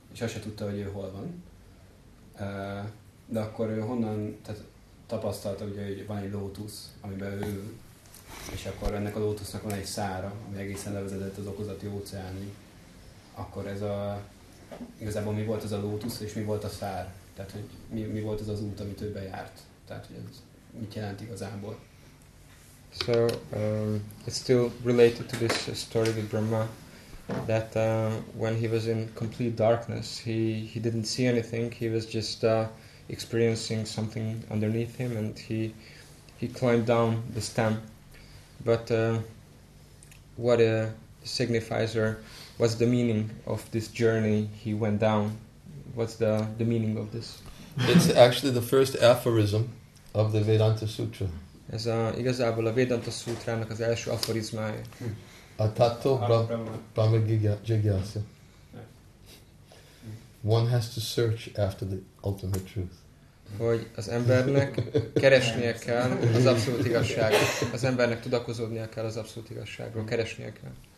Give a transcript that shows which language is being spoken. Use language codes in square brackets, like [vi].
[hu] És azt se tudta, hogy ő hol van. De akkor ő honnan tapasztalta, ugye, hogy van egy lótusz, amiben ő, és akkor ennek a lótusznak van egy szára, ami egészen levezetett az okozati óceánig. Akkor ez a... Igazából mi volt ez a lótusz, és mi volt a szár? Tehát, hogy mi volt ez az út, amit ő bejárt? Tehát, hogy ez mit jelent igazából? [en] So, it's still related to this story with Brahma, that when he was in complete darkness, he didn't see anything, he was just... experiencing something underneath him, and he climbed down the stem. But what a signifier, what's the meaning of this journey he went down? What's the meaning of this? It's actually the first aphorism of the Vedanta Sutra. [hu] Ez a, igazából a Vedanta Sutrának az első aphorizmája. [sa] Atato Brahma Jigyasa. [en] One has to search after the ultimate truth. [hu] Hogy az embernek keresnie kell az abszolút igazságot. Az embernek tudakozódnia kell az abszolút igazságról, keresnie kell.